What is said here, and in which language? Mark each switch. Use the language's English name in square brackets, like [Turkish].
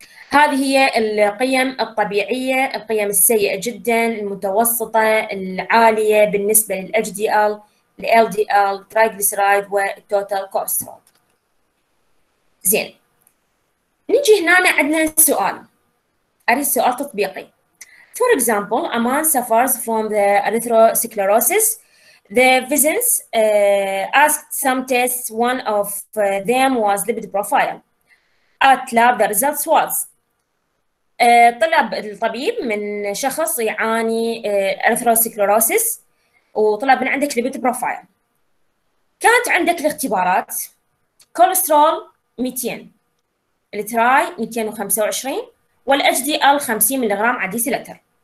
[Arabic] هذه هي القيم الطبيعية، القيم السيئة جدا، المتوسطة، العالية بالنسبة لل HDL، ال LDL، triglyceride والتوتال كوليسترول. زين نجي هنا عندنا سؤال، أريد سؤال تطبيقي. [English] For example, a man suffers from the atherosclerosis. The physicians asked some tests. One of them was lipid profile. At lab, the results was. [Arabic] طلب الطبيب من شخص يعاني atherosclerosis وطلب من عندك lipid profile. كانت عندك الاختبارات: كوليسترول 200، التراي 225، والHDL 50 ملغرام على ديسيلتر.